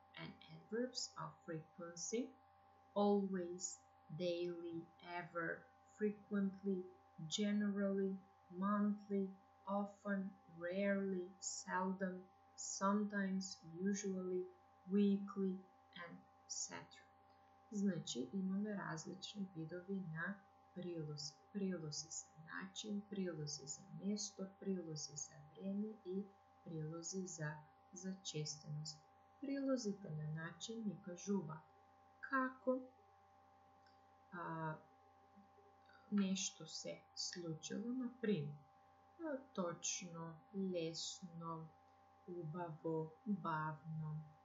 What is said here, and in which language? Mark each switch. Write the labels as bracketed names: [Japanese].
[English] And adverbs of frequency: always, daily, ever, frequently, generally, monthly, often, rarely, seldom, sometimes, usually, weekly, and etc. [Macedonian] Значи, имаме различни видови на прилози. Прилози за начин, прилози за место, прилози за време и прилози за честеност. Прилозите на начин ни кажува како нешто се случило, например, точно, лесно, убаво, бавно.